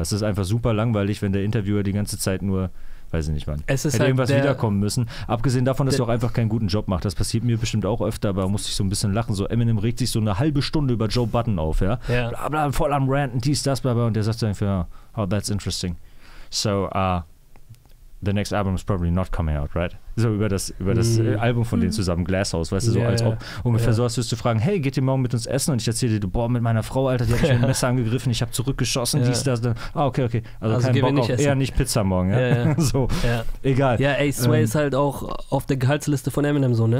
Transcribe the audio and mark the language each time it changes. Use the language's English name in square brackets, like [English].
[German] Es ist einfach super langweilig, wenn der Interviewer die ganze Zeit nur, weiß ich nicht wann. Es ist hätte halt irgendwas wiederkommen müssen. Abgesehen davon, dass er auch einfach keinen guten Job macht. Das passiert mir bestimmt auch öfter, aber musste ich so ein bisschen lachen. So Eminem regt sich so eine halbe Stunde über Joe Budden auf. Ja? Ja. Bla, bla, voll am Ranten, dies, das, bla, bla. Und der sagt so einfach, [English] oh, that's interesting. So, the next album is probably not coming out, right? [German] So über das Album von denen zusammen, Glasshouse, weißt du, so als ob ungefähr so, als würdest du fragen, hey, geht ihr morgen mit uns essen? Und ich erzähle dir, boah, mit meiner Frau, Alter, die hat mich mit dem Messer angegriffen, ich habe zurückgeschossen, dies, das, dann. Ah, okay, okay, also kein Bock auf, eher nicht Pizza morgen, so, egal. Ja, ey, Sway ist halt auch auf der Gehaltsliste von Eminem so, ne?